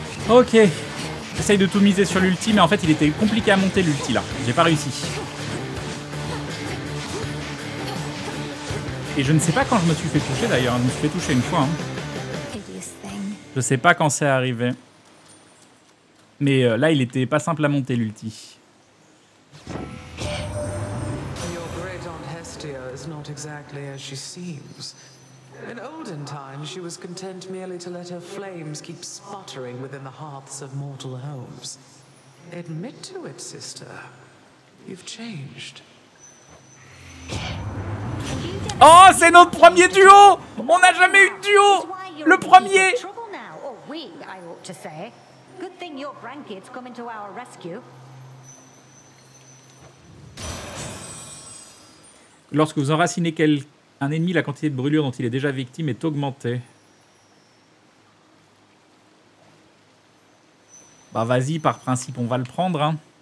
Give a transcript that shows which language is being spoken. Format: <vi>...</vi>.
<fr>Ok, j'essaye de tout miser sur l'ulti, mais en fait il était compliqué à monter l'ulti là, j'ai pas réussi. Et je ne sais pas quand je me suis fait toucher d'ailleurs, je me suis fait toucher une fois. Hein. Je sais pas quand c'est arrivé. Mais là il était pas simple à monter l'ulti.</fr> <en>Your grid on Hestia is not exactly as she seems. In olden times, she was content merely to let her flames keep sputtering within the hearths of mortal homes. Admit to it, sister. You've changed.</en> <fr>Oh, c'est notre premier duo! On n'a jamais eu de duo! Le premier!</fr> <en>Trouble now, or we, I ought to say. Good thing your grandkids come into our rescue.</en> <fr>Lorsque vous enracinez quelqu'un, un ennemi, la quantité de brûlure dont il est déjà victime est augmentée. Bah vas-y, par principe, on va le prendre. Hein.</fr>